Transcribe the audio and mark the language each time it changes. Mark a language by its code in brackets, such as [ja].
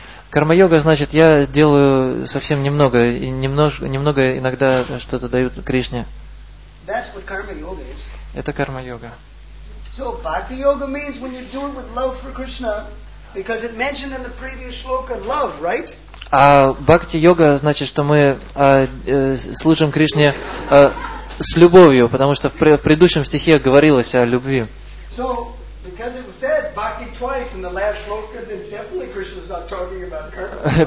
[ru] Карма йога значит я делаю совсем немного и немного иногда что-то даю Кришне. [en] That's what karma yoga is. [ru] Это карма йога. [en] So bhakti yoga means when you do it with love for Krishna. Because it mentioned in the previous shloka, love, right? [ru] А бхакти йога значит, что мы служим Кришне с любовью, потому что в предыдущем стихе говорилось о любви. [en] So, because it was said bhakti twice in the last shloka, then definitely Krishna's not talking about karma.